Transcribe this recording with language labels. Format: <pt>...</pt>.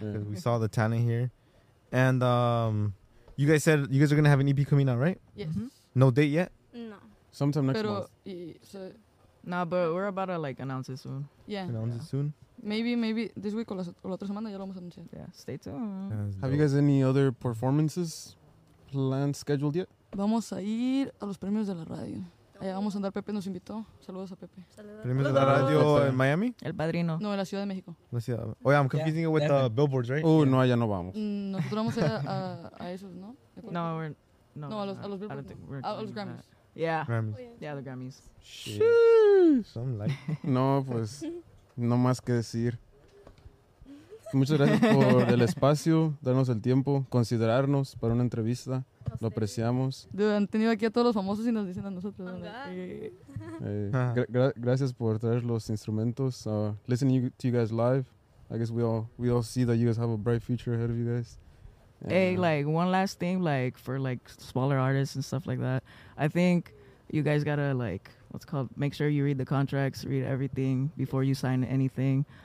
<en>we saw the talent here, and you guys said you guys are gonna have an EP coming out, right? Yes. Mm-hmm. No date yet. No. Sometime next month. But we're about to like announce it soon. Yeah. Announce it soon. Maybe this week or</en> <es>la otra semana ya lo vamos a anunciar.</es> <en>Yeah. Stay tuned. Have you guys any other performances planned scheduled yet?</en> <es>Vamos a ir a los premios de la radio. Vamos a andar. Pepe nos invitó. Saludos a Pepe. Primero de la radio en Miami. El padrino. No, en la Ciudad de México. La ciudad.</es> <en>Oye, I'm confusing it with the billboards, right?</en> <es>No, allá no vamos. Nosotros vamos a esos, ¿no? No, a los billboards. A los Grammys.</es> <en>Yeah, the Grammys. Shit. Something like that.</en> <es>No, pues, no más que decir. Muchas gracias por el espacio, darnos el tiempo, considerarnos para una entrevista. Lo apreciamos. Dude, han tenido aquí a todos los famosos y nos dicen a nosotros.</es> <en>Like,</en> <es>gracias por traer los instrumentos.</es> <en>Listening to you guys live, I guess we all see that you guys have a bright future ahead of you guys. Hey, like one last thing, like for like smaller artists and stuff like that. I think you guys gotta like what's called make sure you read the contracts, read everything before you sign anything.</en>